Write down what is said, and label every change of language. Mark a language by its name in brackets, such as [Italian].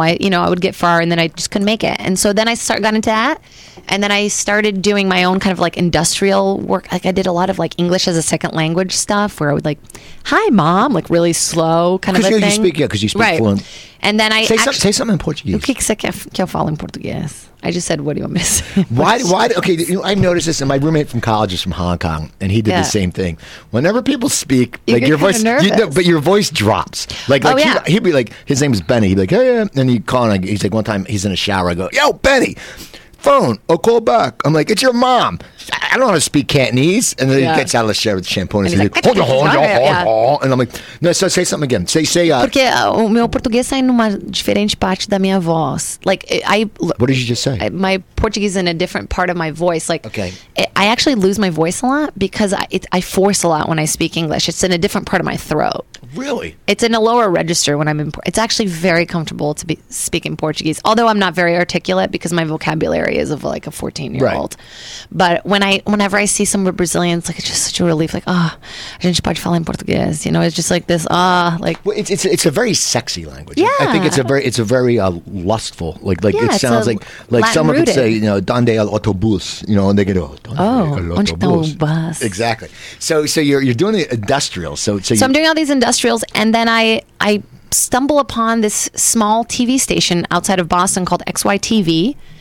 [English] I would get far, and then I just couldn't make it. And so then I got into that, and then I started doing my own kind of, like, industrial work. Like, I did a lot of, like, English as a second language stuff, where I would, like, hi, Mom, like, really slow kind of a thing. Because you speak fluent. And then I say something in Portuguese. [Portuguese] O que você quer falar em português? [English] I just said, what do you want me to say? I noticed this, and my roommate from college is from Hong Kong, and he did the same thing. Whenever people speak, your voice drops. He'd be like, his name is Benny. He'd be like, hey, yeah. And he'd call, and he's like, one time he's in a shower. I go, yo, Benny, phone, I'll call back. I'm like, it's your mom. I don't know how to speak Cantonese. And then he gets out of the shower with the shampoo, and he's like, hold your hand, and I'm like, no, so say something again. [Portuguese] Porque o meu português sai numa diferente parte da minha voz. [English] Like, what did you just say? My Portuguese is in a different part of my voice. Like, okay. I actually lose my voice a lot because I force a lot when I speak English. It's in a different part of my throat. Really? It's in a lower register when I'm in it's actually very comfortable to speak in Portuguese, although I'm not very articulate because my vocabulary is of like a 14-year-old. Right. But whenever I see some Brazilians, like, it's just such a relief. [Portuguese] Like, ah, oh, a gente pode falar em português. [English] You know, it's just like this, like. Well, it's a very sexy language. Yeah. I think it's a very lustful. It sounds like someone could say, you know, [Spanish] donde el autobus, [English] you know, and they go, [Portuguese] onde está o bus. [English] Exactly. So you're doing the industrial. So I'm doing all these industrials, and then I stumble upon this small TV station outside of Boston called XYTV.